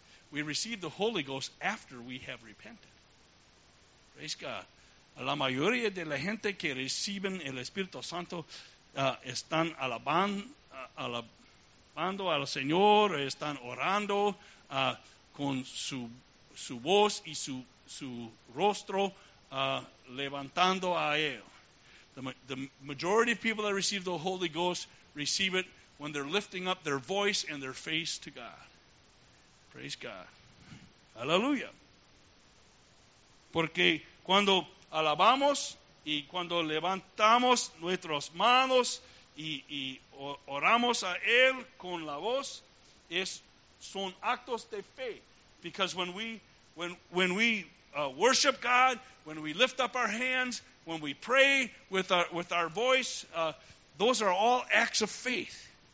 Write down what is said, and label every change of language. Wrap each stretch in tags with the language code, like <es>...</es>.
<en>We receive the Holy Ghost after we have repented. Praise God.</en> <es>La mayoría de la gente que reciben el Espíritu Santo están alabando al Señor, están orando con su voz y su rostro levantando a Él.</es> <en>The majority of people that receive the Holy Ghost receive it when they're lifting up their voice and their face to God. Praise God. Hallelujah.</en> <es>Porque cuando alabamos y cuando levantamos nuestras manos y oramos a Él con la voz, son actos de fe.</es> <en>Because when we worship God, when we lift up our hands, when we pray with our voice, those are all acts of faith.</en>